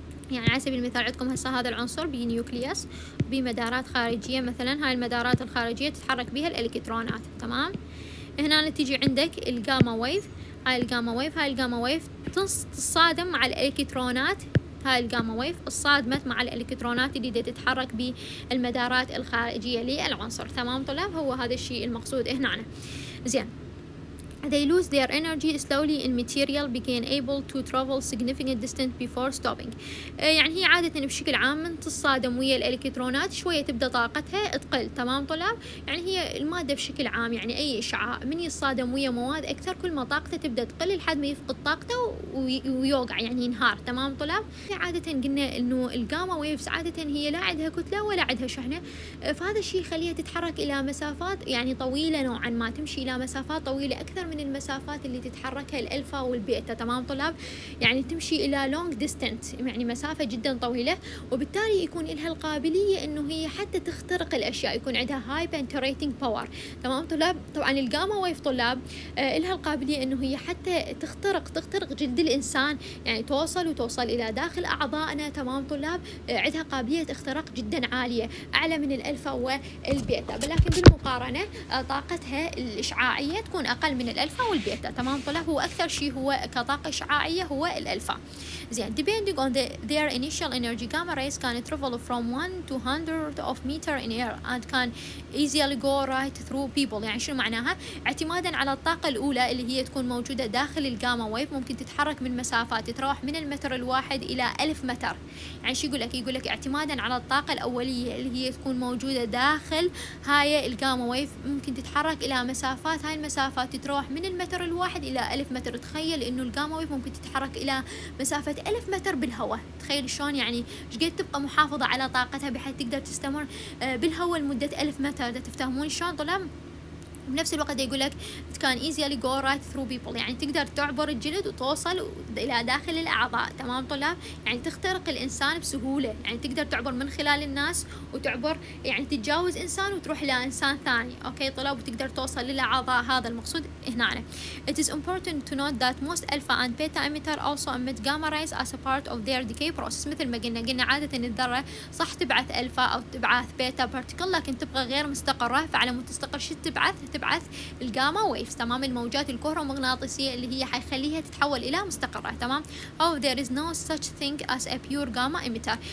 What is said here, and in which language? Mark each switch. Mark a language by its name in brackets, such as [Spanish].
[Arabic] يعني على سبيل المثال عندكم هسه هذا العنصر بنيوكليوس بمدارات خارجية مثلا، هاي المدارات الخارجية تتحرك بها الالكترونات، تمام؟ هنا تجي عندك الجاما ويف، هاي الجاما ويف، هاي الجاما ويف تصادم مع الالكترونات، هاي الجاما ويف الصادمت مع الالكترونات اللي دي تتحرك بالمدارات الخارجية للعنصر، تمام طلاب؟ هو هذا الشيء المقصود هنا. [English] زين، they lose their energy slowly in material begin able to travel significant distance before stopping. [Arabic] يعني هي عادة بشكل عام من تصادم ويا الالكترونات شوية تبدأ طاقتها تقل، تمام طلاب؟ يعني هي المادة بشكل عام يعني أي إشعاع من يصادم ويا مواد أكثر كل ما طاقته تبدأ تقل لحد ما يفقد طاقته ويوقع يعني ينهار، تمام طلاب؟ هي عادة قلنا إنه الجاما ويفز عادة هي لا عندها كتلة ولا عندها شحنة، فهذا الشيء يخليها تتحرك إلى مسافات يعني طويلة نوعا ما، تمشي إلى مسافات طويلة أكثر من المسافات اللي تتحركها الالفا والبيتا، تمام طلاب؟ يعني تمشي الى لونج ديستنت يعني مسافة جدا طويلة، وبالتالي يكون لها القابلية انه هي حتى تخترق الاشياء، يكون عندها هاي بنتريتنج باور، تمام طلاب؟ طبعا الجاما ويف طلاب لها القابلية انه هي حتى تخترق جلد الانسان، يعني توصل الى داخل اعضائنا، تمام طلاب؟ عندها قابلية اختراق جدا عالية اعلى من الالفا والبيتا، ولكن بالمقارنة طاقتها الاشعاعية تكون اقل من الالفا والبيتا، تمام طلاب؟ هو اكثر شيء هو كطاقه اشعاعيه هو الالفا. [English] زين، depending on their initial energy gamma rays can travel from 1 to 100 of meter in air and can easily go right through people. [Arabic] يعني شنو معناها؟ اعتمادا على الطاقه الاولى اللي هي تكون موجوده داخل الجاما ويف ممكن تتحرك من مسافات تتراوح من المتر الواحد الى 1000 متر. يعني شو يقول لك؟ يقول لك اعتمادا على الطاقه الاوليه اللي هي تكون موجوده داخل هاي الجاما ويف ممكن تتحرك الى مسافات، هاي المسافات تتراوح من المتر الواحد الى 1000 متر. تخيل انه الجاما ويف ممكن تتحرك الى مسافه 1000 متر بالهواء، تخيل شلون؟ يعني شقد تبقى محافظه على طاقتها بحيث تقدر تستمر بالهواء لمده 1000 متر، تفهمون شلون طلاب؟ بنفس الوقت يقول لك كان [English] easily go right through people، [Arabic] يعني تقدر تعبر الجلد وتوصل الى داخل الاعضاء، تمام طلاب؟ يعني تخترق الانسان بسهوله، يعني تقدر تعبر من خلال الناس وتعبر يعني تتجاوز انسان وتروح الى انسان ثاني، اوكي طلاب؟ وتقدر توصل للاعضاء، هذا المقصود هنا. [English] It is important to note that most alpha and beta emitter also emit gamma rays as a part of their decay process. [Arabic] مثل ما قلنا عادة الذره صح تبعث الفا او تبعث بيتا بارتيكل لكن تبقى غير مستقره، فعلى متستقر شو تبعث؟ تبعث الجاما ويفز، تمام؟ الموجات الكهرومغناطيسية اللي هي حيخليها تتحول إلى مستقرة، تمام؟ [English] Oh, there is no such thing as a pure gamma emitter.